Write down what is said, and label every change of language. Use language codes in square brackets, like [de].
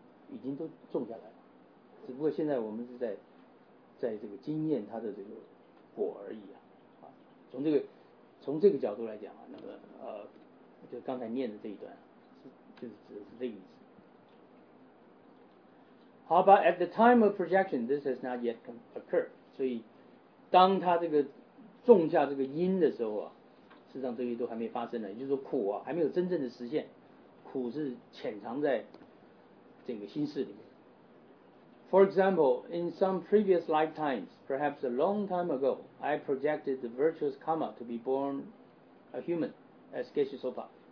[zh] 已经都种下来了，只不过现在我们是在这个经验它的这个果而已啊。从这个角度来讲啊，那么就刚才念的这一段，就是这个意思。好吧 [en] ，at the time of projection, this has not yet occurred。 [zh] 所以当他这个种下这个因的时候啊，事实上这些都还没发生呢，也就是说苦啊还没有真正的实现，苦是潜藏在。这个心事里面。 [en] For example, in some previous lifetimes, perhaps a long time ago, I projected the virtuous karma to be born a human, as Geshe Sopa.